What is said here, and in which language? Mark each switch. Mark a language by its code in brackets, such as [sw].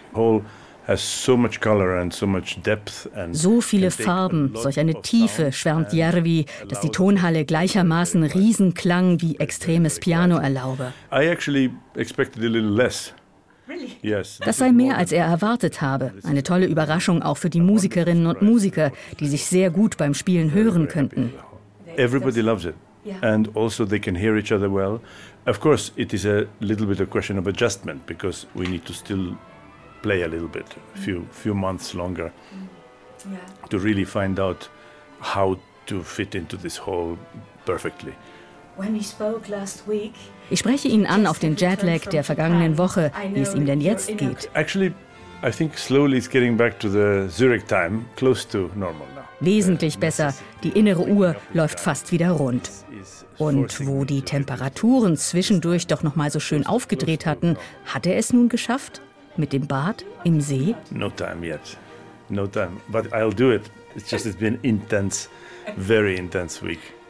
[en] Hall has so much color and so much depth and [de] so viele Farben, solch eine Tiefe, schwärmt Järvi, dass die Tonhalle gleichermaßen Riesenklang wie extremes Piano erlaube. [en] I actually expected a little less. [de] Das sei mehr, als er erwartet habe. Eine tolle Überraschung auch für die Musikerinnen und Musiker, die sich sehr gut beim Spielen hören könnten. [en] Everybody loves it. And also they can hear each other well. Of course, it is a little bit a question of adjustment, because we need to still play a little bit, few months longer, to really find out how to fit into this hall perfectly. When we spoke last week, [de] ich spreche ihn an auf den Jetlag der vergangenen Woche, wie es ihm denn jetzt geht. [en] Actually, I think slowly it's getting back to the Zurich time, close to normal now. [de] Wesentlich besser. Die innere Uhr läuft fast wieder rund. Und wo die Temperaturen zwischendurch doch noch mal so schön aufgedreht hatten, hat er es nun geschafft? Mit dem Bad im See? [en] No time yet. No time. But I'll do it. It's just, it's been intense, very intense week.